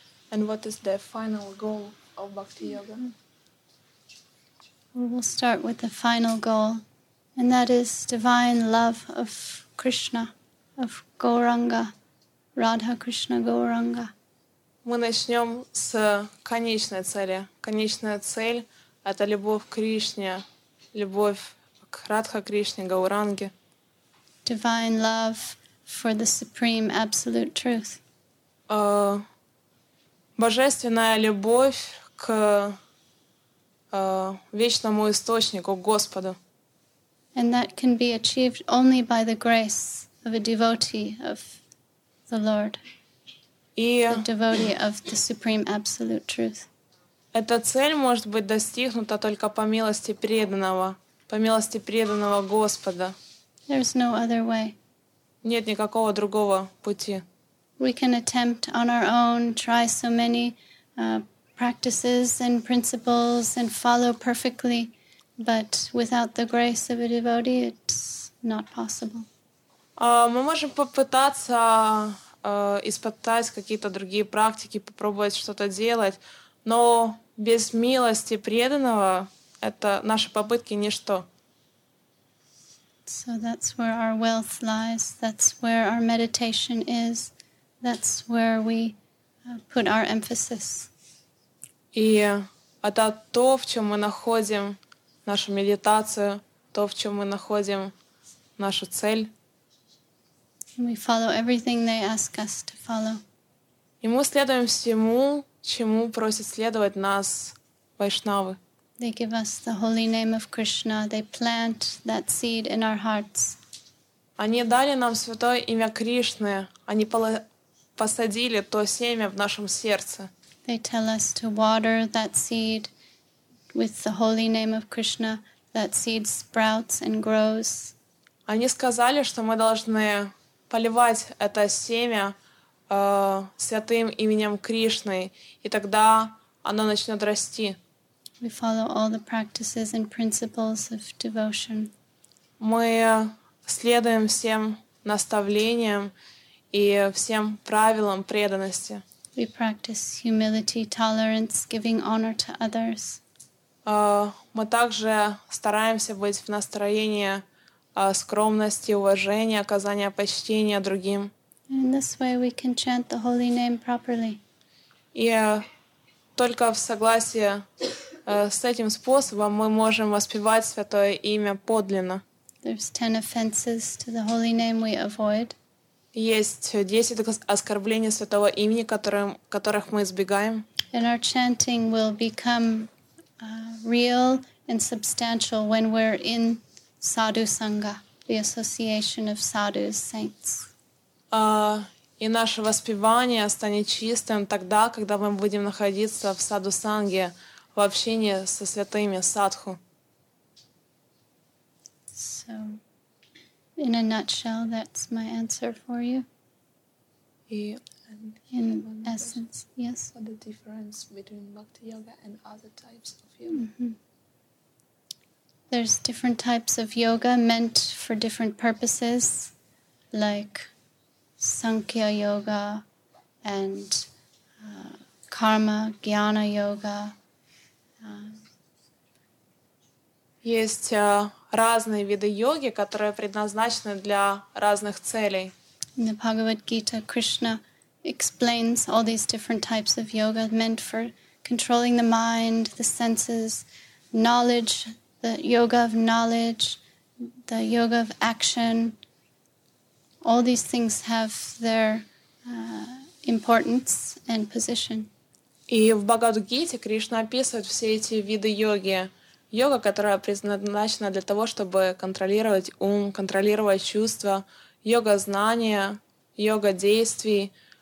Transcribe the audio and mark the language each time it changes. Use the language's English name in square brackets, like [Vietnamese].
[English] And what is the final goal of Bhakti Yoga? We will start with the final goal, and that is divine love of Krishna, of Gauranga, Radha Krishna Gauranga. [Russian] Мы начнем с конечной цели. Конечная цель — это любовь к Кришне, любовь к Радха Кришне Гауранге. [English] Divine love for the supreme absolute truth. [Russian] Божественная любовь к вечному источнику, к Господу. [English] And that can be achieved only by the grace of a devotee of the Lord. [Russian] И [English] the devotee of the supreme absolute truth. [Russian] Эта цель может быть достигнута только по милости преданного Господа. [English] There's no other way. [Russian] Нет никакого другого пути. [English] We can attempt on our own, try so many practices and principles and follow perfectly, but without the grace of a devotee, it's not possible. [Russian] Мы можем попытаться испытать какие-то другие практики, попробовать что-то делать, но без милости преданного это наши попытки ничто. [English] So that's where our wealth lies, that's where our meditation is, that's where we put our emphasis. [Russian] И это то, в чем мы находим нашу медитацию, то, в чем мы находим нашу цель. [English] We follow everything they ask us to follow. [Russian] И мы следуем всему, чему просят следовать нас вайшнавы. [English] They give us the holy name of Krishna. They plant that seed in our hearts. [Russian] Они дали нам святое имя Кришны. Они посадили то семя в нашем сердце. [English] They tell us to water that seed with the holy name of Krishna. That seed sprouts and grows. [Russian] Они сказали, что мы должны поливать это семя святым именем Кришны, и тогда оно начнет расти. [English] We follow all the practices and principles of devotion. [Russian] Мы следуем всем наставлениям и всем правилам преданности. [English] We practice humility, tolerance, giving honor to others. [Russian] Мы также стараемся быть в настроении скромности, уважения, оказания почтения другим. [English] In this way we can chant the holy name properly. [Russian] И только в согласии с этим способом мы можем воспевать святое имя подлинно. [English] There's 10 offenses to the holy name we avoid. [Russian] Есть 10 оскорблений святого имени, которых мы избегаем. [English] And our chanting will become real and substantial when we're in sadhu sangha, the association of sadhus, saints. [Russian] И наше воспевание станет чистым тогда, когда мы будем находиться в саду санге, в общении со святыми садху. [English] So, in a nutshell, that's my answer for you. In essence, yes. What the difference between bhakti yoga and other types of yoga? Mm-hmm. There's different types of yoga meant for different purposes, like Sankhya yoga and karma, jnana yoga. [Russian] Есть разные виды йоги, которые предназначены для разных целей. [English] In the Bhagavad Gita, Krishna explains all these different types of yoga meant for controlling the mind, the senses, knowledge, the yoga of knowledge, the yoga of action. All these things have their importance and position. [Russian] И в Бхагавад-гите Кришна описывает все эти виды йоги. Йога, которая предназначена для того, чтобы контролировать ум, контролировать чувства, йога знания, йога действий.